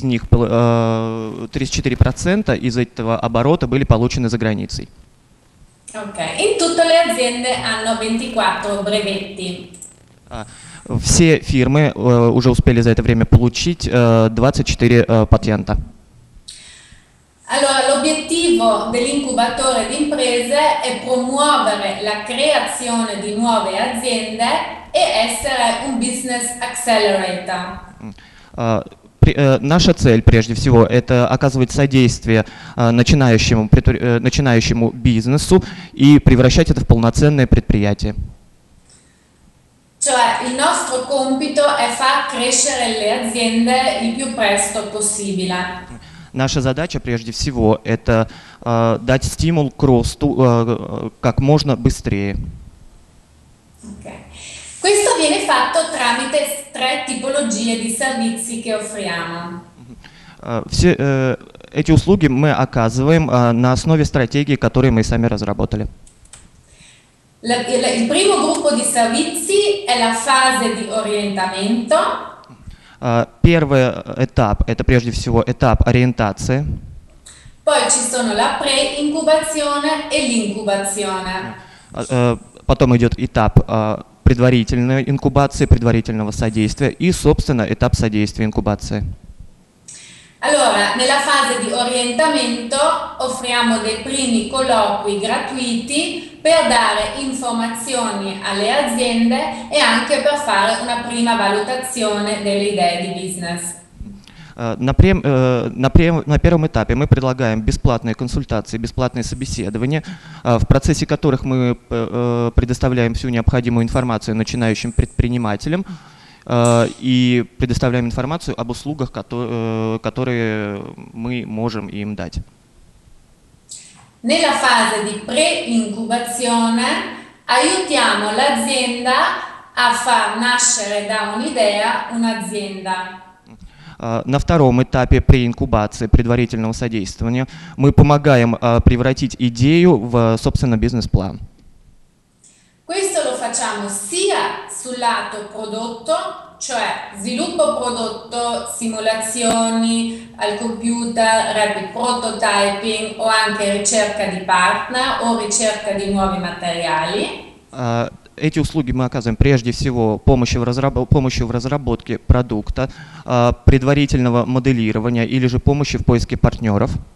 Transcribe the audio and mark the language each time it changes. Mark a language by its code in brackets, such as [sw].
[ru] 34% из этого оборота были получены за границей. [it] Okay. In tutte le aziende hanno 24 brevetti. [ru] Все фирмы уже успели за это время получить 24 патента. [it] Allora, l'obiettivo dell'incubatore di imprese è promuovere la creazione di nuove aziende e essere un business accelerator. [ru] Наша цель, прежде всего, это оказывать содействие начинающему бизнесу и превращать это в полноценное предприятие. [it] Cioè, il nostro compito è far crescere le aziende il più presto possibile. [ru] Наша задача, прежде всего, это дать стимул к росту как можно быстрее. Okay. [it] Questo viene fatto tramite tre tipologie di servizi che offriamo. [ru] Все эти услуги мы оказываем на основе стратегии, которую мы сами разработали. [it] Il primo gruppo di servizi è la fase di orientamento. [ru] Первый этап – это, прежде всего, этап ориентации. [it] Poi ci sono la pre-incubazione e l'incubazione. [ru] Потом идет этап предварительной инкубации, предварительного содействия и, собственно, этап содействия инкубации. [it] Allora, nella fase di orientamento offriamo dei primi colloqui gratuiti per dare informazioni alle aziende e anche per fare una prima valutazione delle idee di business. [ru] На первом этапе мы предлагаем бесплатные консультации, бесплатные собеседования, в процессе которых мы предоставляем всю необходимую информацию начинающим предпринимателям. И предоставляем информацию об услугах, которые мы можем им дать. [it] Nella fase di pre-incubazione aiutiamo l'azienda a far nascere da un'idea un'azienda. [ru] На втором этапе преинкубации, предварительного содействования, мы помогаем превратить идею в, собственно, бизнес-план. [it] Questo lo facciamo sia sul lato prodotto, cioè sviluppo prodotto, simulazioni al computer, rapid prototyping o anche ricerca di partner o ricerca di nuovi materiali. [ru] Эти услуги мы оказываем прежде всего помощью в разработке продукта, предварительного моделирования или же помощи в поиске партнеров.